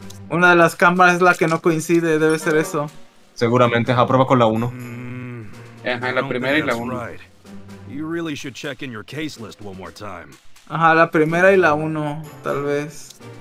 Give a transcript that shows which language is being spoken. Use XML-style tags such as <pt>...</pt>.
<es>Una de las cámaras es la que no coincide, debe ser eso. Seguramente, ajá, prueba con la 1. Ajá, la primera y la 1.</es> <en>You really should check in your case list one more time.</en> <es>Ajá, la primera y la uno, tal vez.</es>